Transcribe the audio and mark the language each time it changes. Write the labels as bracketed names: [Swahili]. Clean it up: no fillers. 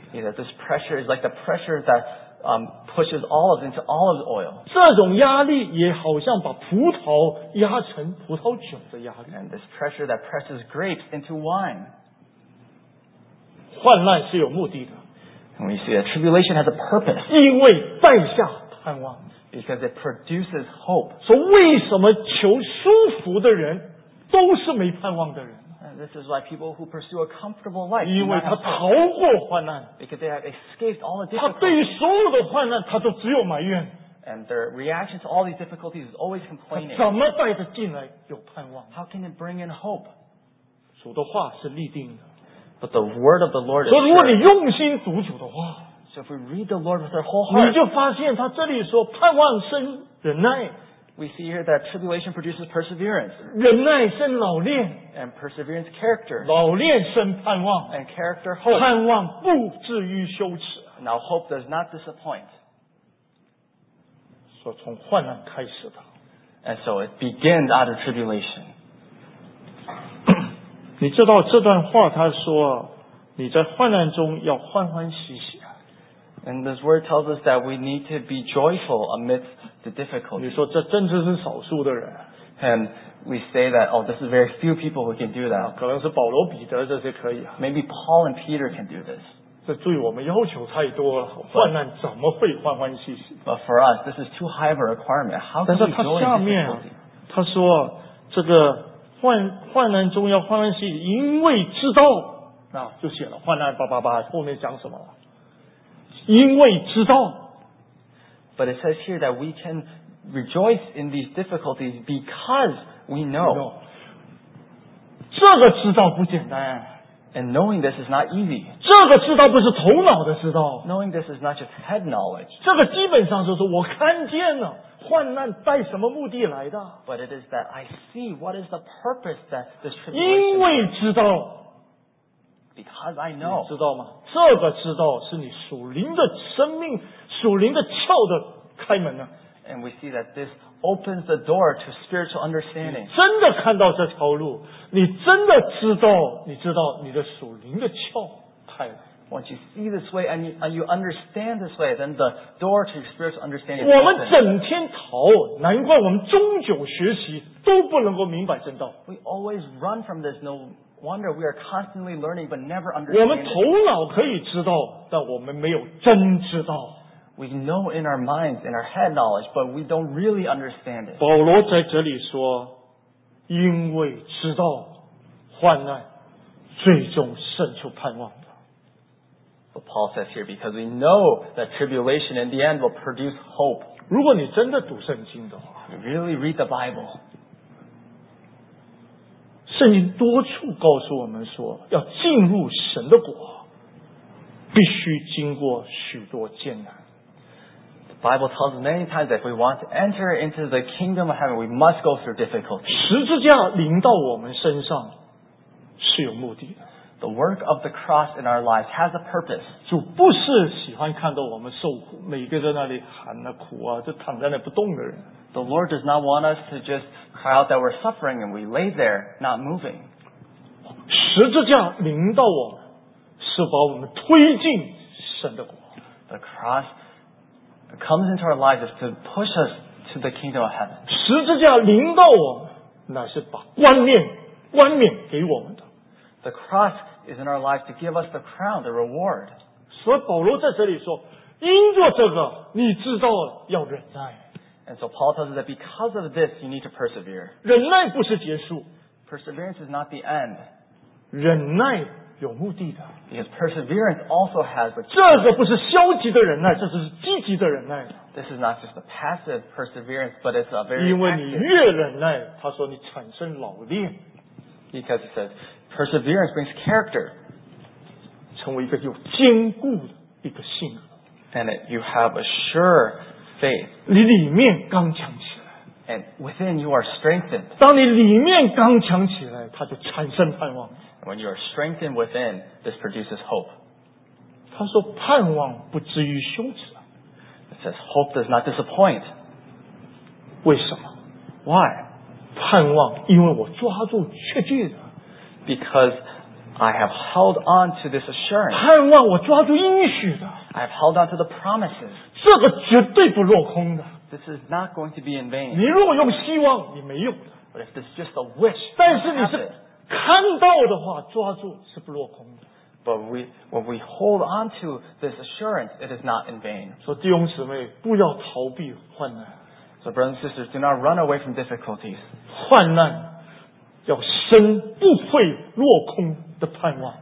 [English] You know, this pressure is like the pressure that pushes olives into olive oil. [Chinese] 这种压力也好像把葡萄压成葡萄酒的压力。 [English] And this pressure that presses grapes into wine. [Chinese] 患难是有目的的。 [English] And we see that tribulation has a purpose. [Chinese] 因为在下盼望。 [English] Because it produces hope. [Chinese] 所以为什么求舒服的人都是没盼望的人？ [English] And this is why people who pursue a comfortable life. [Chinese] 因为他逃过患难。 [English] Because they have escaped all the difficulties. [Chinese] 他对于所有的患难，他都只有埋怨。 [English] And their reaction to all these difficulties is always complaining. [Chinese] 怎么带着进来有盼望 [English] ？How can it bring in hope? [Chinese] 主的话是立定的。 [English] But the word of the Lord is true. [Chinese] 所以如果你用心读主的话。 [English] So if we read the Lord with our whole heart, [Chinese] 你就发现他这里说盼望生忍耐。 [English] We see here that tribulation produces perseverance. [Chinese] 忍耐生老练。 [English] And perseverance character. [Chinese] 老练生盼望。 [English] And character hope. [Chinese] 盼望不至于羞耻。 [English] Now hope does not disappoint. [Chinese] 说从患难开始的。 [English] And so it begins out of tribulation. [Chinese] 你知道这段话他说你在患难中要欢欢喜喜。 [English] And this word tells us that we need to be joyful amidst the difficulties. [Chinese] 你说这真正是少数的人。 [English] And we say that, oh, this is very few people who can do that. [Chinese] 可能是保罗彼得这些可以。 [English] Maybe Paul and Peter can do this. [Chinese] 这注意我们要求太多了，患难怎么会欢欢喜喜？ [English] But for us, this is too high of a requirement. How can we join difficulty? [Chinese] 但是他下面他说这个患难中要欢欢喜喜，因为知道啊，就写了患难叭叭叭，后面讲什么了？因为知道 [English] But it says here that we can rejoice in these difficulties because we know. [Chinese] 这个知道不简单。 [English] And knowing this is not easy. [Chinese] 这个知道不是头脑的知道。 [English] Knowing this is not just head knowledge. [Chinese] 这个基本上就是我看见了患难带什么目的来的。 [English] But it is that I see what is the purpose that this tribulation has. [Chinese] 因为知道。 [English] Because I know. [Chinese] 你知道吗？这个知道是你属灵的生命属灵的窍的开门啊。 [English] And we see that this opens the door to spiritual understanding. [Chinese] 你真的看到这条路你真的知道你知道你的属灵的窍开了。 [English] Once you see this way and you understand this way, then the door to spiritual understanding [Chinese] 我们整天逃难怪我们终究学习都不能够明白真道。 [English] We always run from this, no wonder we are constantly learning but never understanding. [Chinese] 我们头脑可以知道但我们没有真知道。 [English] We know in our minds, in our head knowledge, but we don't really understand it. [Chinese] 保罗在这里说因为知道患难最终胜出盼望的。 [English] But Paul says here, because we know that tribulation in the end will produce hope. [Chinese] 如果你真的读圣经的话 [English] you really read the Bible. [Chinese] 圣经多处告诉我们说要进入神的国必须经过许多艰难。 [English] The Bible tells us many times that if we want to enter into the kingdom of heaven, we must go through difficulty. [Chinese] 十字架临到我们身上是有目的的。 [English] The work of the cross in our lives has a purpose. [Chinese] 主不是喜欢看到我们受苦每个在那里喊啊苦啊就躺在那不动的人。 [English] The Lord does not want us to just cry out that we're suffering and we lay there not moving. [Chinese] 十字架临到我们是把我们推进神的国。 [English] The cross comes into our lives to push us to the kingdom of heaven. [Chinese] 十字架临到我们那是把冠冕给我们的。 [English] The cross is in our lives to give us the crown, the reward. [Chinese] 所以保罗在这里说因着这个你知道要忍耐。 [English] And so Paul tells us that because of this, you need to persevere. [Chinese] 忍耐不是结束。 [English] Perseverance is not the end. [Chinese] 忍耐有目的的。 [English] Because perseverance also has a... [Chinese] 这个不是消极的忍耐，这是积极的忍耐。 [English] This is not just a passive perseverance, but it's a very... [Chinese] 因为你越忍耐，他说你产生老练。 [English] Because he says, perseverance brings character. [Chinese] 成为一个有坚固的一个信仰。 [English] And you have a sure... faith. [Chinese] 你里面刚强起来。 [English] And within you are strengthened. [Chinese] 当你里面刚强起来，它就产生盼望。 [English] And when you are strengthened within, this produces hope. [Chinese] 他说盼望不至于羞耻。 [English] It says hope does not disappoint. [Chinese] 为什么？ [English] Why? [Chinese] 盼望，因为我抓住确据的。 [English] Because I have held on to this assurance. [Chinese] 盼望我抓住应许的。 [English] I have held on to the promises. [Chinese] 这个绝对不落空的。 [English] This is not going to be in vain. [Chinese] 你如果用希望，你没用的。 [English] But if it's just a wish, [Chinese] 但是你是看到的话，抓住是不落空的。 [English] But when we hold on to this assurance, it is not in vain. [Chinese] 所以弟兄姊妹，不要逃避患难。 [English] So brothers and sisters, do not run away from difficulties. [Chinese] 患难要生不会落空的盼望。